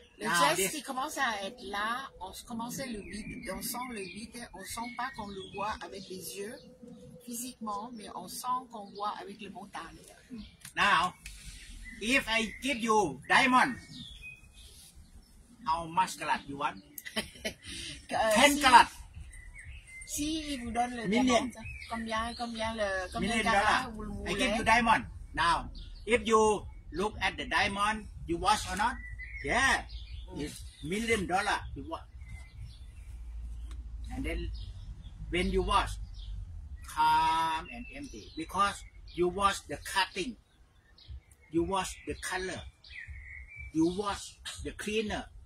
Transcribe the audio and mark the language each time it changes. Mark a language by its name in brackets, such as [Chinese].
[French] Le geste qui commence à être là, on commence le vide, on sent le vide, on sent pas qu'on le voit avec les yeux physiquement, mais on sent qu'on voit avec le mental. [English] Now, if I give you diamond, how much carat you want? 10 carat. [French] Si il vous donne le diamant, combien carat vous voulez? [English] I give you diamond. Now, if you look at the diamond, you watch or not? Yeah, it's $1 million you want. And then when you watch, calm and empty, because you watch the cutting, you watch the color, you watch the cleaner.